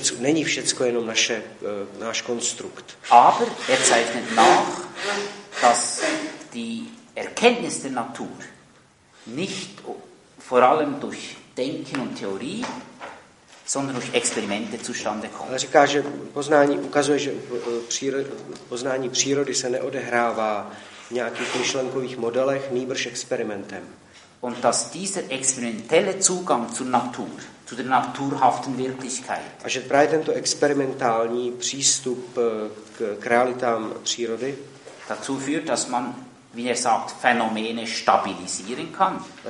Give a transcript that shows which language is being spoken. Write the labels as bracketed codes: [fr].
[cs] Není všecko jenom náš konstrukt. [de] Aber er zeichnet nach, dass die Erkenntnis der Natur nicht vor allem durch Denken und Theorie, sondern durch Experimente zustande kommt. [cs] Ale říká, že poznání ukazuje, že poznání přírody se neodehrává v nějakých myšlenkových modelech, nýbrž experimentem. [de] Und dass dieser experimentelle Zugang zur Natur, zu der naturhaften Wirklichkeit. [cs] A že právě tento experimentální přístup k realitám přírody [de] dazu führt, dass man, wie er sagt, Phänomene stabilisieren kann.